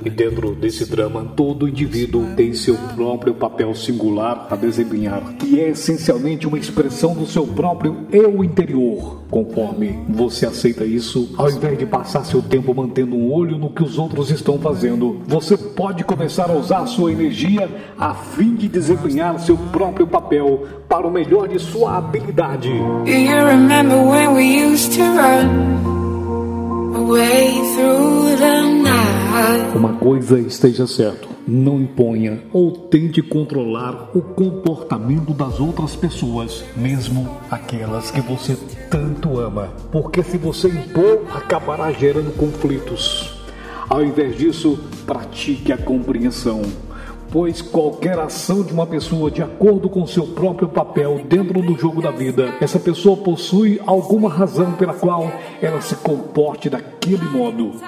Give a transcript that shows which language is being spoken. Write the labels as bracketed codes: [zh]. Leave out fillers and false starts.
[pt] E dentro desse drama, todo indivíduo tem seu próprio papel singular a desempenhar, que é essencialmente uma expressão do seu próprio eu interior. Conforme você aceita isso, ao invés de passar seu tempo mantendo um olho no que os outros estão fazendo, você pode começar a usar sua energia a fim de desempenhar seu próprio papel para o melhor de sua habilidade. [en] Do you remember when we used to run away through the night? [pt] Uma coisa esteja certa. Não imponha ou tente controlar o comportamento das outras pessoas, mesmo aquelas que você tanto ama. Porque se você impor, acabará gerando conflitos. Ao invés disso, pratique a compreensão. Pois qualquer ação de uma pessoa de acordo com seu próprio papel dentro do jogo da vida, essa pessoa possui alguma razão pela qual ela se comporte daquele modo.